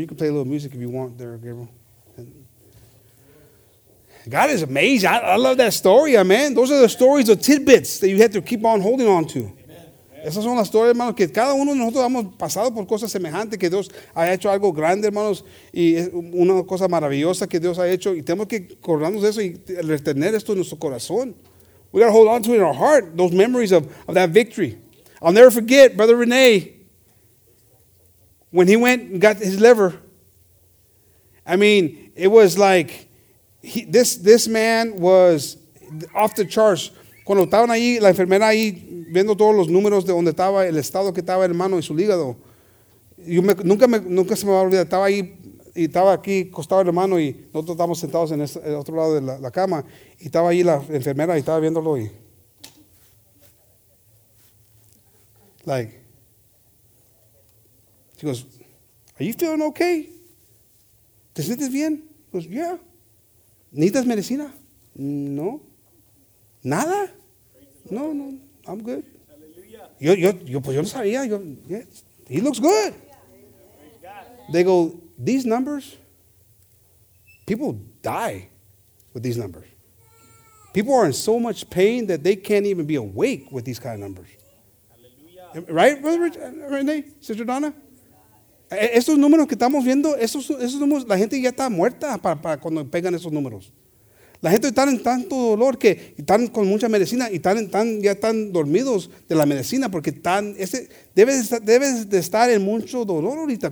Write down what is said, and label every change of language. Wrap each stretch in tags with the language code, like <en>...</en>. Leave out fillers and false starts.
<en>You can play a little music if you want there, Gabriel. God is amazing. I love that story, amen. Those are the stories, the tidbits that you have to keep on holding on to. Amen.</en> <es>Esas son las historias, hermanos, que cada uno de nosotros hemos pasado por cosas semejantes, que Dios ha hecho algo grande, hermanos, y es una cosa maravillosa que Dios ha hecho, y tenemos que acordarnos de eso y retener esto en nuestro corazón.</es> <en>We got to hold on to it in our heart, those memories of that victory. I'll never forget, Brother Renee, when he went and got his liver. I mean, it was like, this man was off the charts.</en> <es>Cuando estaban ahí, la enfermera ahí, viendo todos los números de donde estaba, el estado que estaba el hermano y su hígado. Nunca se me va a olvidar. Estaba ahí, y estaba aquí, acostado el hermano, y nosotros estábamos sentados en el otro lado de la cama. Y estaba ahí la enfermera, y estaba viéndolo.</es> <en>Y, like, she goes, are you feeling okay?</en> <es>¿Te sientes bien?</es> <en>He goes, yeah.</en> <es>¿Necesitas medicina? No. Nada. No, no.</es> <en>I'm good. Hallelujah.</en> <es>Yo, pues yo no sabía. Yo,</es> <en>yeah. He looks good. They go, these numbers, people die with these numbers. People are in so much pain that they can't even be awake with these kind of numbers. Hallelujah. Right, Brother Rich, Renee, Sister Donna?</en> <es>Estos números que estamos viendo, esos números, la gente ya está muerta para cuando pegan esos números. La gente está en tanto dolor que están con mucha medicina y están ya están dormidos de la medicina porque están, debes de estar en mucho dolor ahorita.</es>